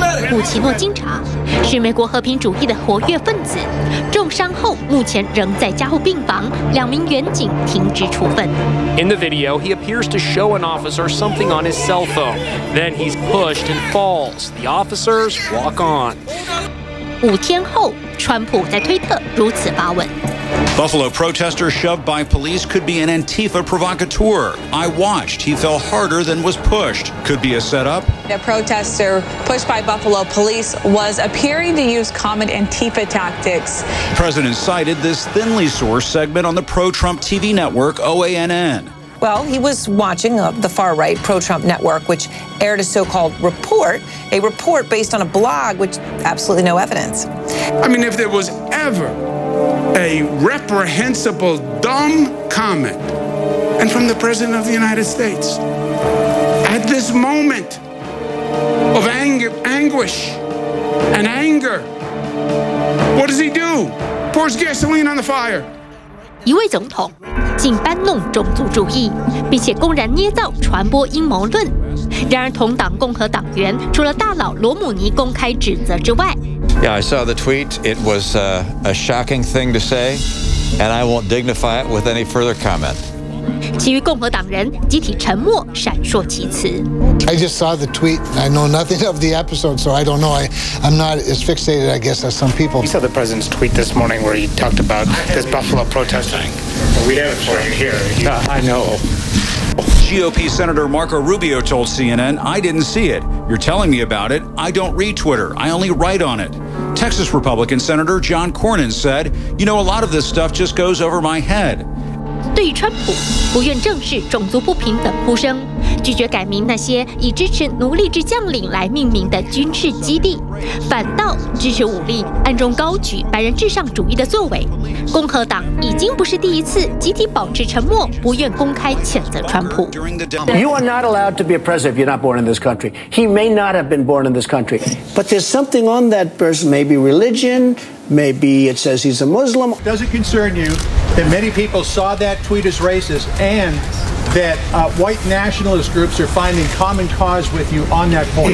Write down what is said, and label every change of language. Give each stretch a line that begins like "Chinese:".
Chinese: 古奇诺经查是美国和平主义的活跃分子，重伤后目前仍在加护病房，两名员警停职处分。
English: In the video, he appears to show an officer something on his cell phone. Then he's pushed and falls. The officers walk on.
Chinese: 5天后，川普在推特如此发文。
English: Buffalo protester shoved by police could be an Antifa provocateur. I watched. He fell harder than was pushed. Could be a setup. A protester pushed by Buffalo police was appearing to use common Antifa tactics. President cited this thinly sourced segment on the pro-Trump TV network OANN. Well, he was watching the far-right pro-Trump network, which aired a so-called report, a report based on a blog, which absolutely no evidence. I mean, if there was ever... A reprehensible, dumb comment. And from the President of the United States. At this moment of anguish and anger, what does he do? Pours gasoline on the fire.
Chinese: 一位总统竟搬弄种族主义，并且公然捏造传播阴谋论。然而同党共和党员除了大佬罗姆尼公开指责之外，
English: Yeah, I saw the tweet. It was a shocking thing to say, and I won't dignify it with any further comment.
Chinese: 其余共和党人集体沉默，闪烁其词。
English: I just saw the tweet. I know nothing of the episode, so I don't know. I'm not as fixated, I guess, as some people. You saw the president's tweet this morning where he talked about this Buffalo protesting. We have it for you here. I know. GOP Senator Marco Rubio told CNN, I didn't see it. You're telling me about it. I don't read Twitter. I only write on it. Texas Republican Senator John Cornyn said, you know, a lot of this stuff just goes over my head.
Chinese: 对于川普，不愿正视种族不平等呼声，拒绝改名那些以支持奴隶制将领来命名的军事基地，反倒支持武力暗中高举白人至上主义的作为，共和党已经不是第一次集体保持沉默，不愿公开谴责川普。
English: You are not allowed to be a president if you're not born in this country. He may not have been born in this country, but there's something on that person. Maybe religion. Maybe it says he's a Muslim. Does it concern you that many people saw that tweet as racist and? That white nationalist groups are finding common cause with you on that point.